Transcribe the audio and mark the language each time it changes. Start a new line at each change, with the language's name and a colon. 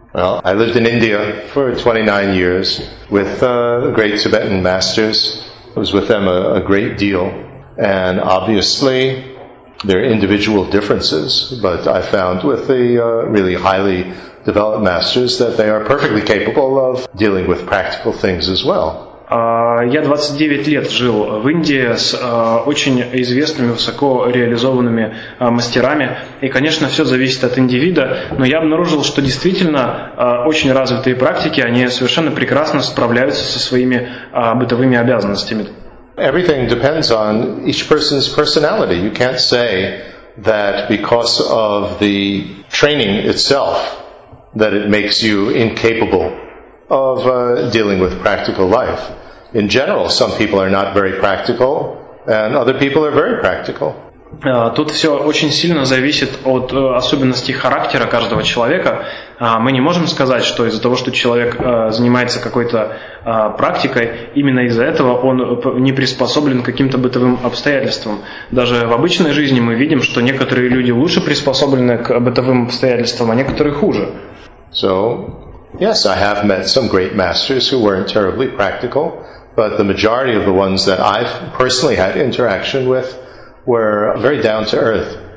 English: Well, I lived in India for 29 years with great Tibetan masters. I was with them a great deal. And obviously, there are individual differences, but I found with the really highly developed masters that they are perfectly capable of dealing with practical things as well.
Russian: Я 29 лет жил в Индии с очень известными, высоко реализованными мастерами. И, конечно, все зависит от индивида, но я обнаружил, что действительно очень развитые практики, они совершенно прекрасно справляются со своими бытовыми обязанностями.
English: Everything depends on each person's personality. You can't say that because of the training itself that it makes you incapable of dealing with practical life. In general, some people are not very practical, and other people are very practical.
Russian: Тут все очень сильно зависит от особенностей характера каждого человека. Мы не можем сказать, что из-за того, что человек занимается какой-то практикой, именно из-за этого он не приспособлен к каким-то бытовым обстоятельствам. Даже в обычной жизни мы видим, что некоторые люди лучше приспособлены к бытовым обстоятельствам, а некоторые хуже.
English: So, yes, I have met some great masters who weren't terribly practical, but the majority of the ones that I've personally had interaction with were very down to earth.